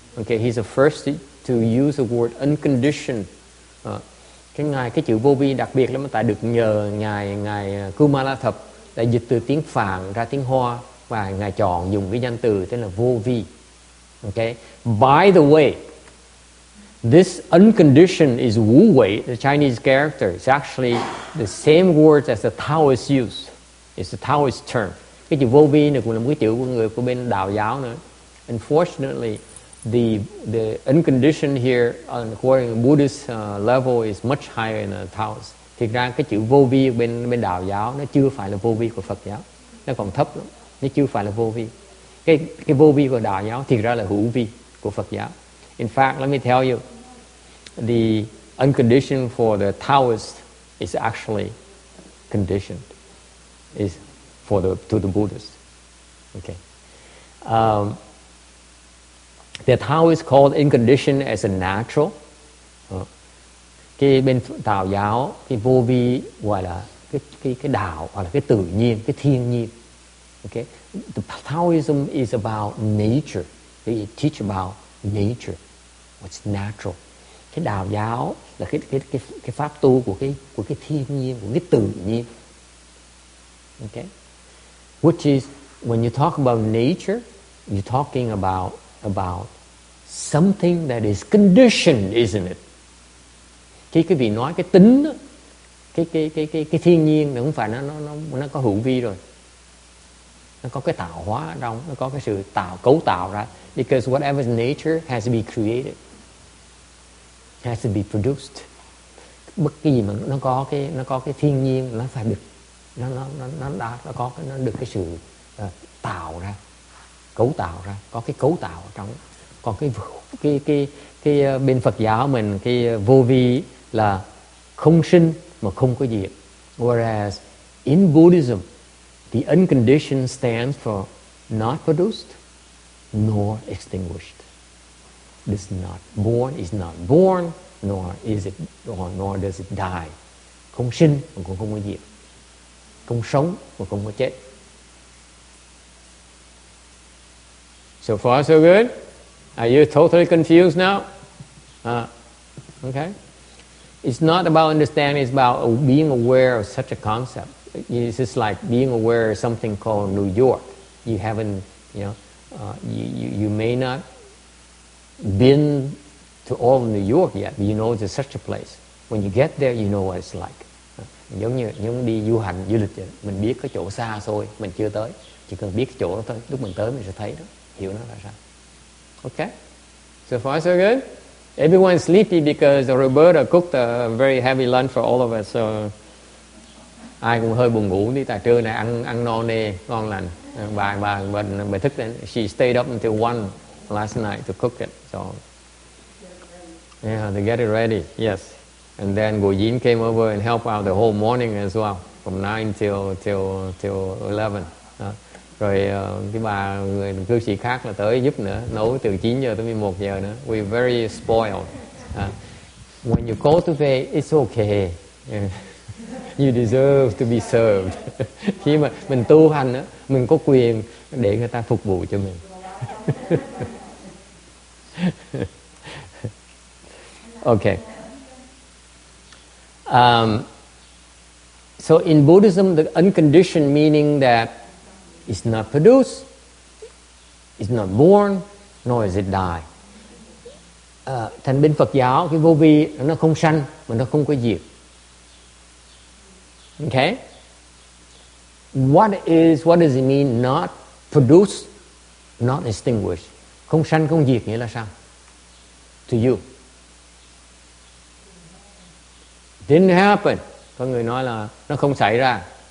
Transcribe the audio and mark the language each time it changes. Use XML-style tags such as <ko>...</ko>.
<en>Okay, he's the first to use the word unconditioned.</en> <vi>Cái chữ vô vi đặc biệt lắm, tại được nhờ ngài Kumara Thập đã dịch từ tiếng Phạn ra tiếng Hoa và ngài chọn dùng cái danh từ tên là vô vi.</vi> <en>Okay. By the way, this unconditioned is wu wei, the Chinese character. It's actually the same word as the Taoist use. It's the Taoist term.</en> <vi>Cái chữ vô vi này cũng là một cái chữ của người của bên đạo giáo nữa.</vi> <en>Unfortunately, the unconditioned here, according to Buddhist level, is much higher than Taoist.</en> <vi>Thực ra cái chữ vô vi bên đạo giáo nó chưa phải là vô vi của Phật giáo, nó còn thấp lắm, nó chưa phải là vô vi. Cái vô vi của đạo giáo thực ra là hữu vi của Phật giáo.</vi> <en>In fact, let me tell you, the unconditioned for the Taoist is actually conditioned, is to the Buddhist. Okay. The Tao is called unconditioned as a natural.</en> <vi>Cái bên Tào giáo, cái vô vi gọi là cái đạo, gọi là cái tự nhiên, cái thiên nhiên. Okay.</vi> <en>The Taoism is about nature. They teach about nature, what's natural.</en> <vi>Cái đạo giáo là cái pháp tu của cái thiên nhiên, của cái tự nhiên.</vi> <en>Okay. Which is, when you talk about nature, you're talking about something that is conditioned, isn't it?</en> <vi>Khi quý vị nói cái tính đó, cái thiên nhiên nó không phải nó có hữu vi rồi. Nó có cái tạo hóa ở trong, nó có cái sự cấu tạo ra.</vi> <en>Because whatever is nature has to be created, has to be produced.</en> <vi>Bất kỳ mà nó có cái thiên nhiên nó phải được nó được cái sự tạo ra, cấu tạo ra, có cái cấu tạo ở trong. Còn cái bên Phật giáo mình, cái vô vi là không sinh mà không có diệt.</vi> <en>Whereas in Buddhism, the unconditioned stands for not produced nor extinguished. This not born is not born, nor is it, nor does it die.</en> <vi>Không sinh mà cũng không có diệt. Không sống mà không có chết.</vi> <en>So far so good? Are you totally confused now? Okay. It's not about understanding, it's about being aware of such a concept. It's just like being aware of something called New York. You haven't, you may not been to all of New York yet, but you know there's such a place. When you get there, you know what it's like.</en> <vi>Giống như đi du hành, du lịch, mình biết cái chỗ xa xôi, mình chưa tới. Chỉ cần biết cái chỗ đó thôi, lúc mình tới mình sẽ thấy đó, hiểu nó là sao.</vi> <en>Okay, so far so good. Everyone's sleepy because Roberta cooked a very heavy lunch for all of us.</en> <vi>So, ai cũng hơi buồn ngủ đi. Tại trưa này ăn no nê, ngon lành. Bà thức lên.</vi> <en>She stayed up until 1 last night to cook it. So, yeah, to get it ready. Yes. And then Guyin came over and helped out the whole morning as well, from 9 till 11.</en> <vi>Rồi cái bà người cư sĩ khác là tới giúp nữa, nấu từ 9 giờ tới 11 giờ nữa.</vi> <en>We're very spoiled. When you cultivate, it's okay. You deserve to be served.</en> <vi>Khi mà mình tu hành á, mình có quyền để người ta phục vụ cho mình.</vi> <en>Okay. So in Buddhism, the unconditioned meaning that it's not produced, it's not born, nor is it die.</en> <vi>Thành bên Phật giáo, cái vô vi nó không sanh, mà nó không có diệt.</vi> <en>Okay? What does it mean not produced, not extinguished?</en> <vi>Không sanh, không diệt nghĩa là sao?</vi> <en>To you. Didn't happen.</en> <vi>Có người nói là nó không xảy ra.</vi>